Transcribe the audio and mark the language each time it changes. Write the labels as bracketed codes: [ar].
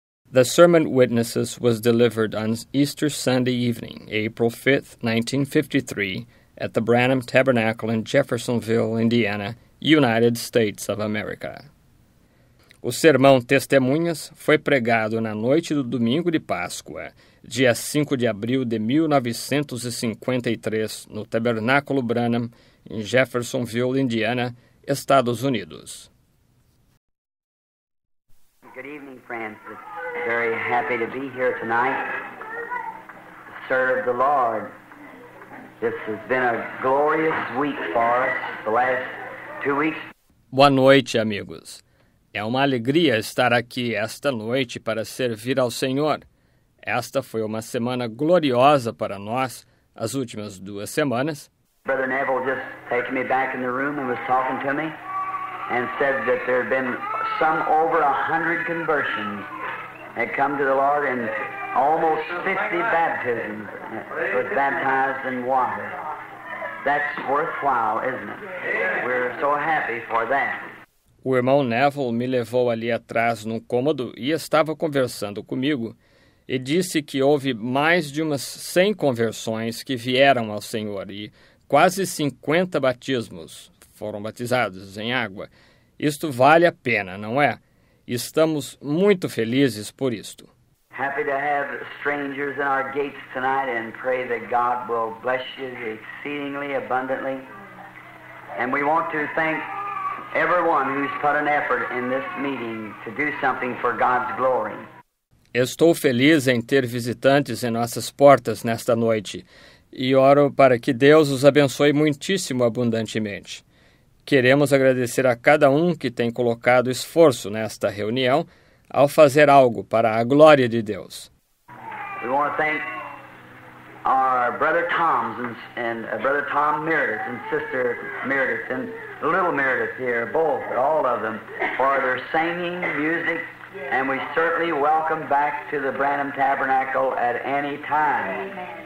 [en] The Sermon Witnesses was delivered on Easter Sunday evening, April 5, 1953, at the Branham Tabernacle in Jeffersonville, Indiana, United States of America. [pt] O sermão Testemunhas foi pregado na noite do domingo de Páscoa, dia 5 de abril de 1953, no Tabernáculo Branham, em Jeffersonville, Indiana, Estados Unidos. [en] Good evening, Francis. Very happy to be here tonight to serve the Lord. This has been a glorious week for us, the last 2 weeks. [pt] Boa noite, amigos. É uma alegria estar aqui esta noite para servir ao Senhor. Esta foi uma semana gloriosa para nós, as últimas 2 semanas. [en] Brother Neville just taken me back in the room and was talking to me and said that there had been some over 100 conversions that come to the Lord and almost 50 baptisms was baptized in water. That's worthwhile, isn't it? We're so happy for that. [pt] O irmão Neville me levou ali atrás num cômodo e estava conversando comigo e disse que houve mais de umas 100 conversões que vieram ao Senhor e quase 50 batismos foram batizados em água. Isto vale a pena, não é? Estamos muito felizes por isto. [en] Happy to have strangers in our gates tonight and pray that God will bless you exceedingly abundantly. And we want to thank everyone who's put an effort in this meeting to do something for God's glory. [pt] Estou feliz em ter visitantes em nossas portas nesta noite e oro para que Deus os abençoe muitíssimo abundantemente. Queremos agradecer a cada um que tem colocado esforço nesta reunião ao fazer algo para a glória de Deus. [en] We want to thank our brother Tom's and brother Tom Meredith and sister Meredith and little Meredith here, both, all of them, for their singing, music, and we certainly welcome back to the Branham Tabernacle at any time.